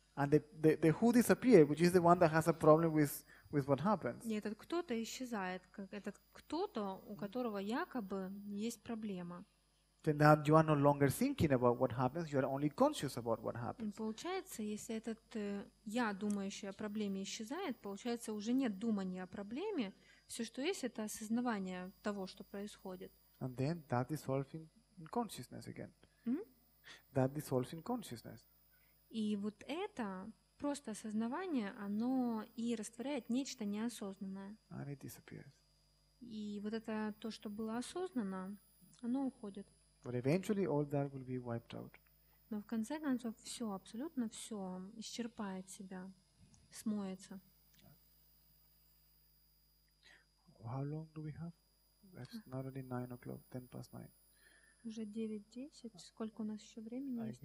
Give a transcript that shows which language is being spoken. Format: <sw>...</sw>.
<en>And the who disappeared, which is the one that has a problem with what happens.</en> <ru>Не, этот кто-то исчезает, как этот кто-то, у которого якобы есть проблема.</ru> <en>Then that you are no longer thinking about what happens, you are only conscious about what happens.</en> <ru>И получается, если этот я, думающий о проблеме, исчезает, получается, уже нет думания о проблеме. Все, что есть, это осознавание того, что происходит.</ru> <en>And then that dissolves in consciousness again. Mm-hmm. That dissolves in consciousness.</en> <ru>И вот это просто осознавание, оно и растворяет нечто неосознанное.</ru> <en>And it disappears.</en> <ru>И вот это то, что было осознанно, оно уходит.</ru> <en>But eventually all that will be wiped out.</en> <ru>Но в конце концов все, абсолютно все исчерпает себя, смоется.</ru> <en>How long do we have? It's not only 9 o'clock, 9:10.</en> <ru>Уже 9:10. Сколько у нас еще времени есть?</ru>